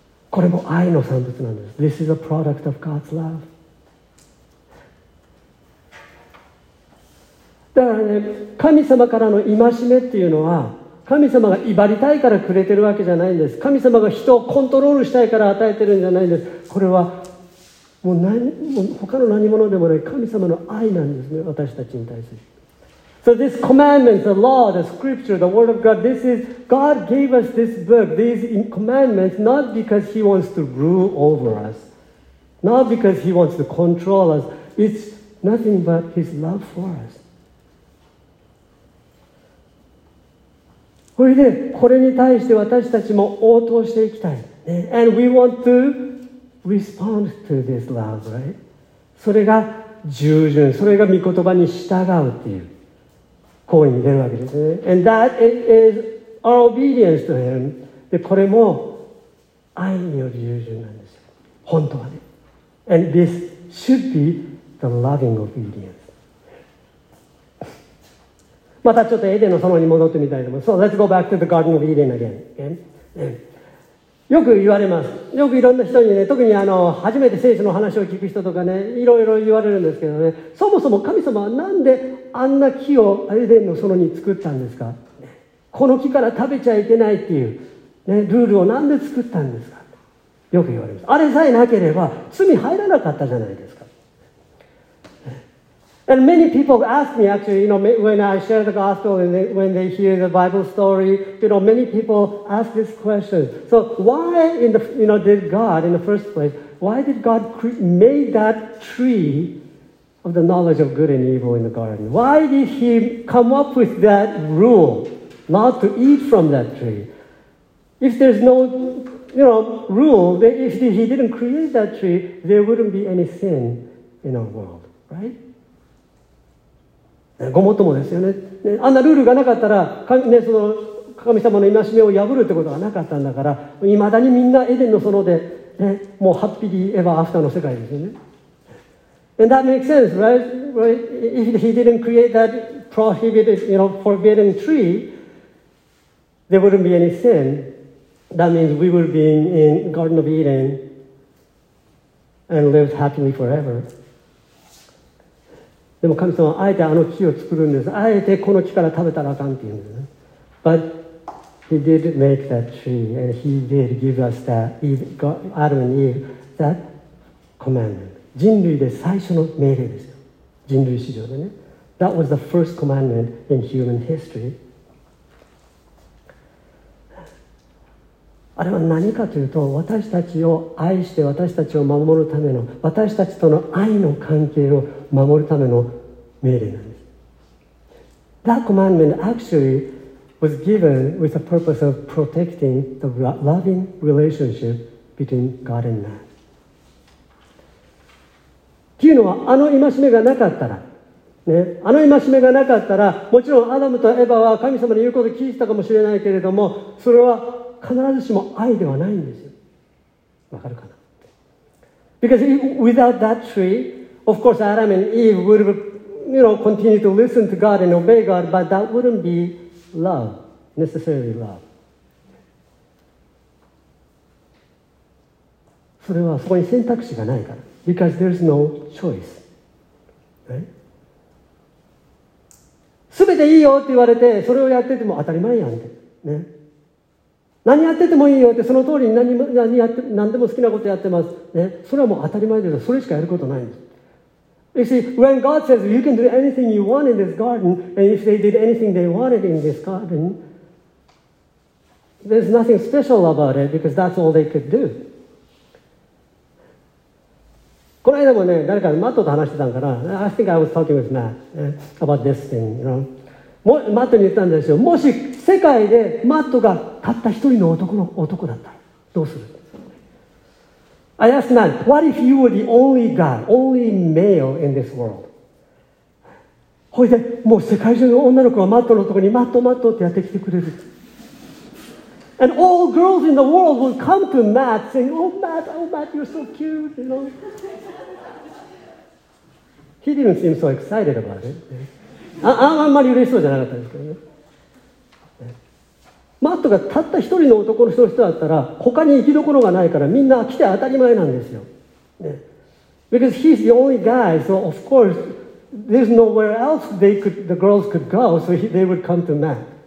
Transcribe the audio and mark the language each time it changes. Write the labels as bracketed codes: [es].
[ja] これも愛の産物なんです。 [en] This is a product of God's love. [ja] だからね、神様からの戒めっていうのは、神様が威張りたいからくれてるわけじゃないんです。神様が人をコントロールしたいから与えてるんじゃないんです。これはもう何も他の何者でもない神様の愛なんですね、私たちに対する。 [en] So this commandment, the law, the scripture, the word of God, this is, God gave us this book, these commandments, not because he wants to rule over us, not because he wants to control us. It's nothing but his love for us. [ja] それでこれに対して私たちも応答していきたい。 [en] And we want to respond to this love, right? [ja] それが従順、それが御言葉に従うっていう行為に出るわけですね。 [en] And that is our obedience to him. [ja] で、これも愛による従順なんですよ。本当はね。 [en] And this should be the loving obedience. [ja] またちょっとエデンの園に戻ってみたいと思います。 [en] So let's go back to the Garden of Eden again. Okay? [ja] よく言われます。よくいろんな人にね、特に初めて聖書の話を聞く人とかね、いろいろ言われるんですけどね、そもそも神様はなんであんな木をエデンの園に作ったんですか？この木から食べちゃいけないっていう、ね、ルールをなんで作ったんですか？よく言われます。あれさえなければ罪入らなかったじゃないですか。 [en] And many people ask me, actually, you know, when I share the gospel and when they hear the Bible story, you know, many people ask this question. So why in the, you know, did God, in the first place, why did God make that tree of the knowledge of good and evil in the garden? Why did he come up with that rule not to eat from that tree? If there's no, you know, rule, then if he didn't create that tree, there wouldn't be any sin in our world, right? [ja] ごもっともですよ ね, ね。あんなルールがなかったら、ね、その神様の戒めを破るってことがなかったんだから、いまだにみんなエデンの園で、ね、もうハッピリーエバーアフターの世界ですよね。 [en] And that makes sense, right? If he didn't create that prohibited, you know, forbidden tree, there wouldn't be any sin. That means we would be in Garden of Eden and lived happily forever. [ja] でも神様はあえてあの木を作るんです。あえてこの木から食べたらあかんっていうんですね。 [en] But he did make that tree and he did give us that Adam and Eve that commandment. [ja] 人類で最初の命令ですよ。人類史上でね。 [en] That was the first commandment in human history. [ja] あれは何かというと、私たちを愛して私たちを守るための、私たちとの愛の関係を守るための命令なんです。 [en] That commandment actually was given with the purpose of protecting the loving relationship between God and man. [ja] というのは、あの戒めがなかったら、ね、あの戒めがなかったら、もちろんアダムとエヴァは神様に言うことを聞いてたかもしれないけれども、それは必ずしも愛ではないんですよ。わかるかな？ [en] Because without that tree, of course Adam and Eve would have, you know, continue to listen to God and obey God, but that wouldn't be love, necessarily love. [ja] それはそこに選択肢がないから。 [en] Because there's no choice. [ja] すべていいよって言われて、それをやってても当たり前やんって。ね。何やっててもいいよって、その通りに 何やって何でも好きなことやってます、ね、それはもう当たり前です。それしかやることないんです。 [en] You see, when God says you can do anything you want in this garden, and if they did anything they wanted in this garden, there's nothing special about it because that's all they could do. [ja] この間もね、誰かマットと話してたんかな。 [en] I think I was talking with Matt、about this thing, you know. [ja] マットに言ったんですよ。もし世界でマットがたった一人の男の男だったらどうする？ [en] I asked Matt, what if you were the only guy, only male in this world? [ja] ほいで、もう世界中の女の子はマットのところにマットマットってやってきてくれる。 [en] And all girls in the world would come to Matt saying, oh Matt, you're so cute, you know. He didn't seem so excited about it. [ja] あんまり嬉しそうじゃなかったですけどね。マットがたった一人の男の人だったら、他に生きどころがないから、みんな来て当たり前なんですよ。 [en] ね、Because he's the only guy, so of course, there's nowhere else they could, the girls could go, so they would come to Matt.